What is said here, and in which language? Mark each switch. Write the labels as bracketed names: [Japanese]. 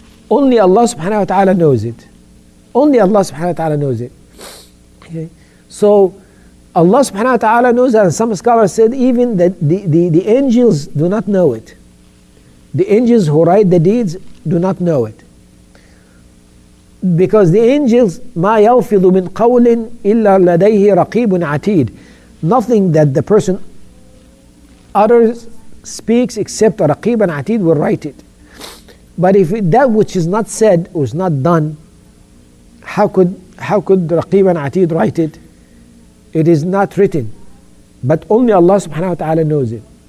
[English] Only Allah subhanahu wa ta'ala knows it. Only Allah subhanahu wa ta'ala knows it. Okay. So Allah subhanahu wa ta'ala knows that, and some scholars said even that the angels do not know it. The angels who write the deeds do not know it. Because the angels, [Arabic] مَا يَلْفِظُ مِنْ قَوْلٍ إِلَّا لَدَيْهِ رَقِيبٌ عَتِيدٌ. [English] Nothing that the person utters, speaks, except رَقِيبٌ and عَتِيدٌ will write it. But if that which is not said or is not done, how could رَقِيبٌ and عَتِيدٌ write it? It is not written, but only Allah subhanahu wa ta'ala knows it.